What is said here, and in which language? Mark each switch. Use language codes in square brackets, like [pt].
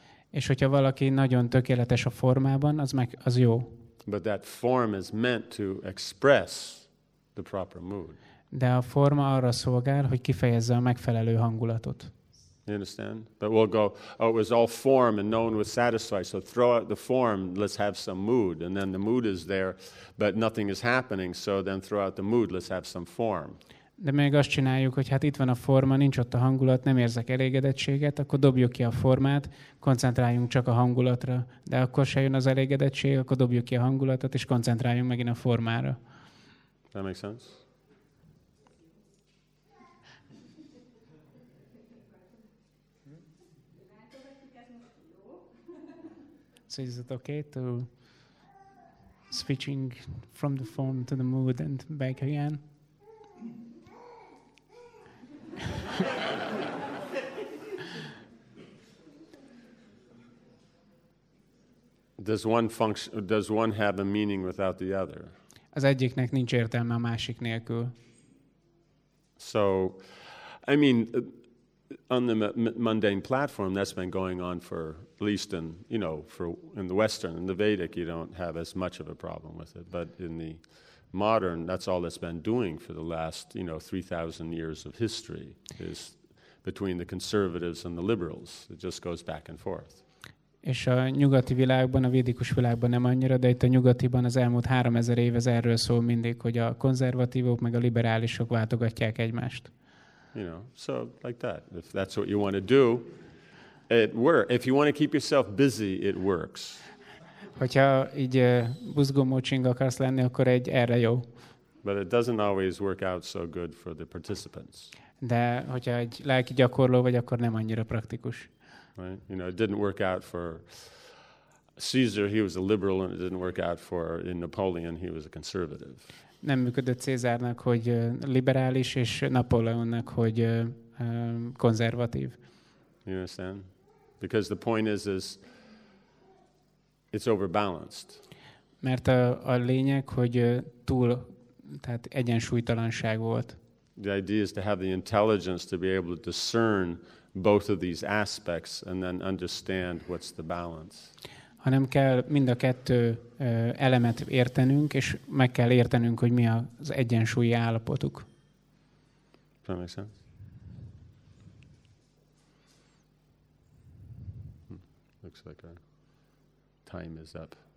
[hu] És hogyha valaki nagyon tökéletes a formában, az jó. [en] But that form is meant to express the proper mood. [hu] De a forma arra szolgál, hogy kifejezze a megfelelő hangulatot. [en] You understand? But we'll go, oh, it was all form and no one was satisfied, so throw out the form, let's have some mood. And then the mood is there, but nothing is happening, so then throw out the mood, let's have some form. [hu] De még azt csináljuk, hogy hát itt van a forma, nincs ott a hangulat, nem érzek elégedettséget, akkor dobjuk ki a formát, koncentráljunk csak a hangulatra. De akkor se jön az elégedettség, akkor dobjuk ki a hangulatot, és koncentráljunk megint a formára. [en] That makes sense? So is it okay to switching from the form to the mood and back again? Does one have a meaning without the other? [hu] Az egyiknek nincs értelme a másik nélkül. [en] So, I mean, on the mundane platform, that's been going on for at least in the Western, in the Vedic, you don't have as much of a problem with it. But in the modern, that's all it's been doing for the last, 3,000 years of history, is between the conservatives and the liberals. It just goes back and forth. [hu] És a nyugati világban, a védikus világban nem annyira, de itt a nyugatiban az elmúlt 3000 év ez erről szól mindig, hogy a konzervatívok meg a liberálisok váltogatják egymást. [en] So like that. If that's what you want to do, it works. If you want to keep yourself busy, it works. [hu] Hogyha így buzgó mocsing akarsz lenni, akkor egy erre jó. [en] But it doesn't always work out so good for the participants. [hu] De hogyha egy lelki gyakorló vagy, akkor nem annyira praktikus. [en] Right? It didn't work out for Caesar, he was a liberal, and it didn't work out for Napoleon, he was a conservative. [hu] Nem működött Cézárnak, hogy liberális, és Napóleonnak, hogy konzervatív. [en] You understand? Because the point is it's overbalanced. [hu] Mert a lényeg, hogy túl, tehát egyensúlytalanság volt. [en] The idea is to have the intelligence to be able to discern both of these aspects and then understand what's the balance. [hu] Hanem kell mind a kettő elemet értenünk, és meg kell értenünk, hogy mi az egyensúlyi állapotuk. [en] Does that make sense? Looks like our time is up.